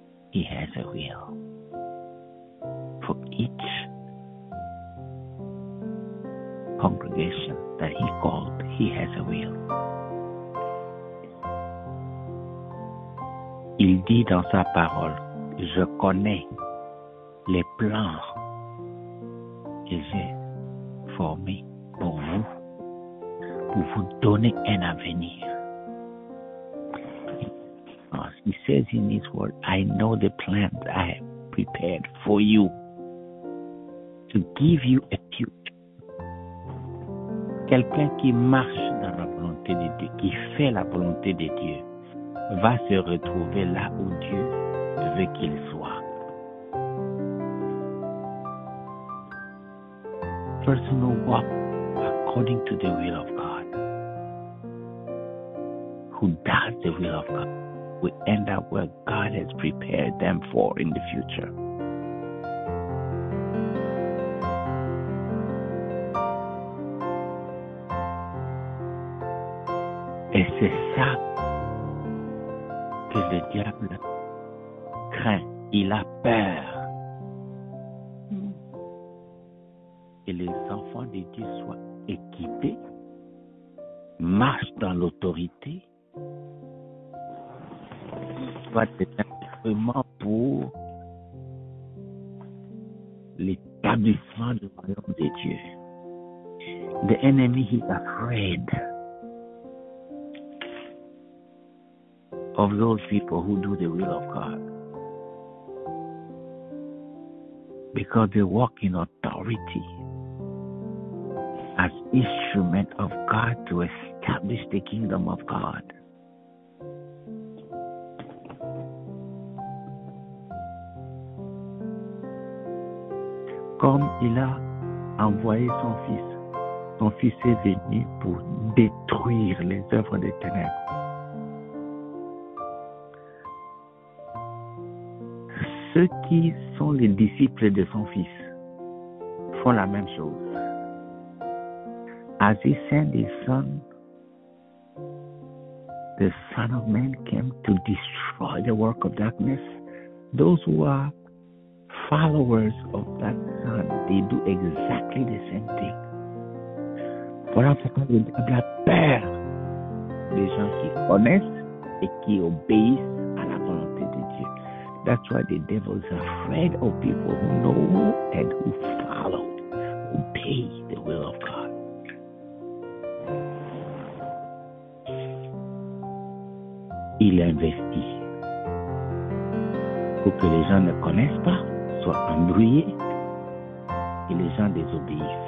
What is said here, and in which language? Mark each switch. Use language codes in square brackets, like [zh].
[en] He has a will for each congregation that he called. He has a will. [fr] Il dit dans sa parole, je connais les plans que j'ai formés pour vous donner un avenir. [en] He says in his word, I know the plans I have prepared for you to give you a future. [fr] Quelqu'un qui marche dans la volonté de Dieu, qui fait la volonté de Dieu, va se retrouver là où Dieu veut qu'il soit. [en] Person who walks according to the will of God, who does the will of God, we end up where God has prepared them for in the future. [fr] Et c'est ça que le diable craint. Il a peur. Et les enfants de Dieu soient équipés, marchent dans l'autorité, soit un instrument pour l'établissement du royaume de Dieu. [en] The enemy is afraid of those people who do the will of God because they walk in authority as instrument of God to establish the kingdom of God. [fr] Comme il a envoyé son fils est venu pour détruire les œuvres des ténèbres. Ceux qui sont les disciples de son fils font la même chose. [en] As he sent his son, the Son of Man came to destroy the work of darkness. Those who are followers of that son, they do exactly the same thing. [fr] Voilà pourquoi le diable a peur des gens qui connaissent et qui obéissent à la volonté de Dieu. [en] That's why the devil is afraid of people who know and who follow, who obey the will of God. [fr] Il investit pour que les gens ne connaissent pas, soit embrouillé et les gens désobéissent.